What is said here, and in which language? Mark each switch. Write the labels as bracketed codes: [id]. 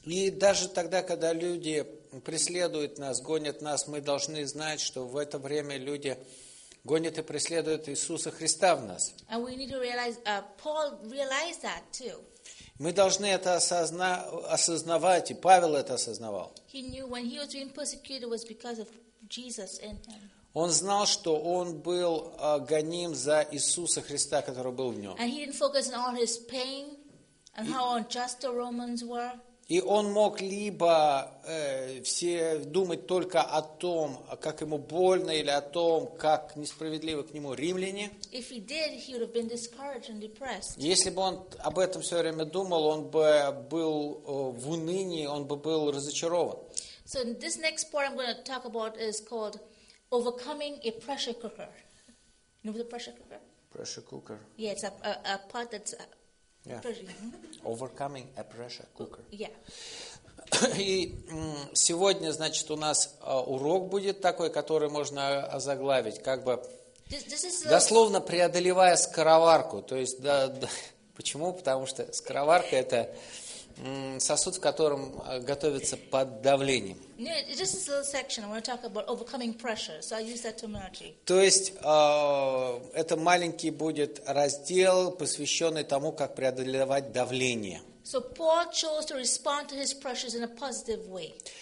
[ru] И даже тогда, когда люди преследуют нас, гонят нас, мы должны знать, что в это время люди гонят и преследуют Иисуса Христа в нас. [en] And we need to realize, Paul realized that too. [ru] Мы должны это осознавать, и Павел это осознавал. [en] He knew when he was being persecuted was because of Jesus in him. [ru] Он знал, что он был гоним за Иисуса Христа, который был в нем. [en] And he didn't focus on all his pain and how unjust the Romans were. [ru] И он мог либо все думать только о том, как ему больно, или о том, как несправедливо к нему римляне. [en] If he did, he would have been discouraged and depressed. [ru] Если бы он об этом все время думал, он бы был в унынии, он бы был разочарован. [en] So this next part I'm going to talk about is called overcoming a pressure cooker. You know the pressure cooker? Pressure cooker. Yeah, it's a pot that's Yeah. Overcoming a pressure cooker. Yeah. [ru] И сегодня, значит, у нас урок будет такой, который можно озаглавить, как бы дословно преодолевая скороварку. То есть, почему? Потому что скороварка – это сосуд, в котором готовится под давлением. [en] Yeah, just this little section. I want to talk about overcoming pressure, so I use that terminology. [ru] То есть это маленький будет раздел, посвященный тому, как преодолевать давление. [en] So Paul chose to respond to his pressures in a positive way.